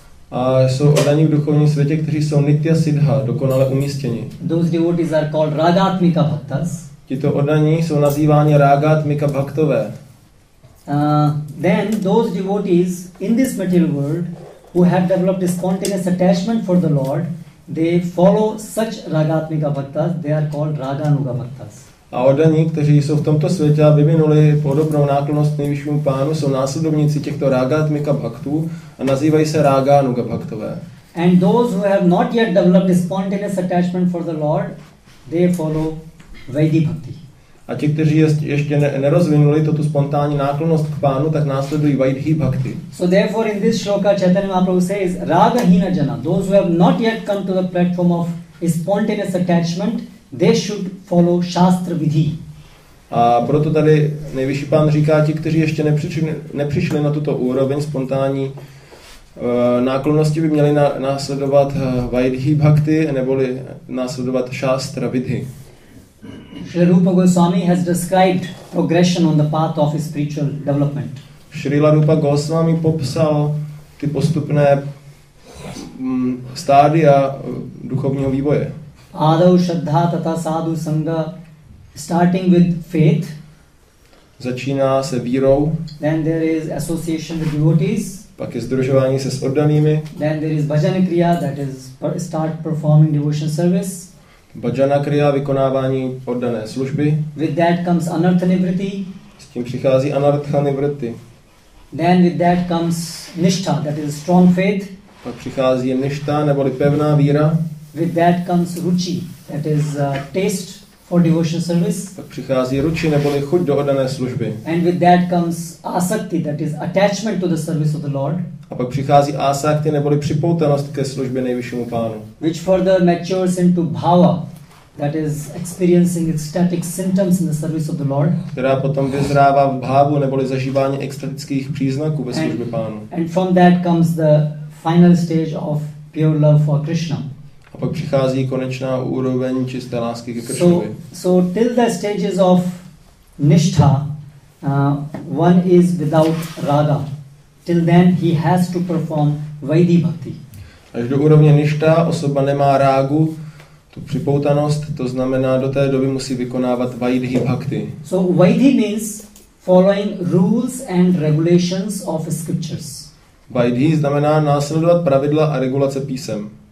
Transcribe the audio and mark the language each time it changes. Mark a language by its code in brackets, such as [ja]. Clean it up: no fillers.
[cs] A jsou oddaní v duchovním světě, kteří jsou nitya siddha, dokonale umístěni. [en] Those devotees are called ragatmika bhaktas. [cs] Tito oddaní jsou nazýváni ragatmika bhaktové. [en] Then those devotees in this material world who have developed a spontaneous attachment for the Lord, they follow such ragatmika bhaktas, they are called raganuga bhaktas. [cs] A oddaní, kteří jsou v tomto světě a vyvinuli podobnou náklonnost nejvyššímu pánu, jsou následovníci těchto ragatmika bhaktů a nazývají se raganuga bhaktové. [en] And those who have not yet developed a spontaneous attachment for the Lord, they follow vaidhi bhakti. [cs] A ti, kteří ještě nerozvinuli tuto spontánní náklonnost k pánu, tak následují vaidhi bhakti. [en] So therefore in this shloka Chaitanya Mahaprabhu says [bn] raga hina jana, [en] those who have not yet come to the platform of spontaneous attachment, they should follow shastra vidhi. [cs] A proto tady nejvyšší pán říká, ti, kteří ještě nepřišli na tuto úroveň spontánní náklonnosti, by měli následovat vaidhi bhakti neboli následovat shastra vidhi. [en] Shri Rupa Goswami has described progression on the path of spiritual development. [cs] Srila Rupa Goswami popsal ty postupné stádia duchovního vývoje. [sa] Adau shraddha tata sadhu sangha, [en] starting with faith. [cs] Začíná se vírou. [en] Then there is association with devotees. [cs] Pak je sdružování se s oddanými. [en] Then there is bhajana kriya, that is start performing devotional service. [cs] Bhajana kriya, vykonávání oddané služby. [en] With that comes anartha nivritti. [cs] S tím přichází anartha nivritti. [en] Then with that comes nishtha, that is strong faith. [cs] Pak přichází nishtha, neboli pevná víra. [en] With that comes ruchi, that is taste for devotional service. [cs] Pak přichází ruchi, neboli chuť do oddané služby. [en] And with that comes asakti, that is attachment to the service of the Lord. [cs] A pak přichází asakti, neboli připoutanost ke službě nejvyššímu pánu. [en] Which further matures into bhava, that is experiencing ecstatic symptoms in the service of the Lord. [cs] Která potom vyzrává v bhavu, neboli zažívání extatických příznaků ve službě pánu. [en] And from that comes the final stage of pure love for Krishna. [cs] A pak přichází konečná úroveň čisté lásky ke Krishnovi. [en] So till the stages of nishtha, one is without raga. Till then he has to perform vaidhi bhakti. [cs] Až do úrovně nishtha osoba nemá rágu, tu připoutanost, to znamená do té doby musí vykonávat vaidhi bhakti. [en] So vaidhi means following rules and regulations of scriptures. [cs] Vaidhi znamená následovat pravidla a regulace písem.